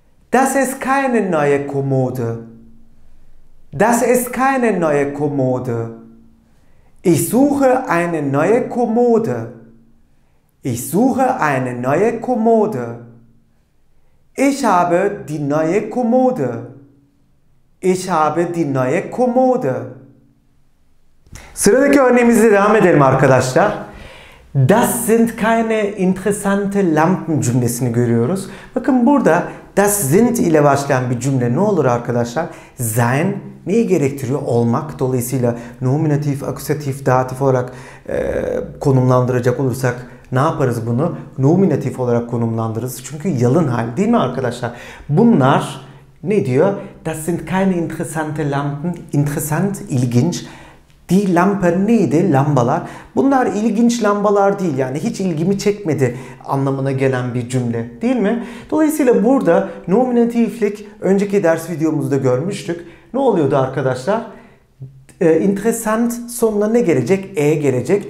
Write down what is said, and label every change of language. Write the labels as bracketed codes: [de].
[de] Das ist keine neue Kommode. Das ist keine neue Kommode. Ich suche eine neue Kommode. Ich suche eine neue Kommode. Ich habe die neue Kommode. Ich habe die neue Kommode. [tr] Sıradaki örneğimizle devam edelim arkadaşlar. [de] Das sind keine interessante Lampen [tr] cümlesini görüyoruz. Bakın burada das sind ile başlayan bir cümle ne olur arkadaşlar? Sein neyi gerektiriyor? Olmak. Dolayısıyla nominatif, akusatif, datif olarak konumlandıracak olursak ne yaparız bunu? Nominatif olarak konumlandırırız. Çünkü yalın hal değil mi arkadaşlar? Bunlar ne diyor? [de] Das sind keine interessante Lampen. [tr] Interessant, ilginç. Die Lampen neydi? Lambalar. Bunlar ilginç lambalar değil. Yani hiç ilgimi çekmedi anlamına gelen bir cümle. Değil mi? Dolayısıyla burada nominatiflik önceki ders videomuzda görmüştük. Ne oluyordu arkadaşlar? Interessant sonuna ne gelecek? E gelecek.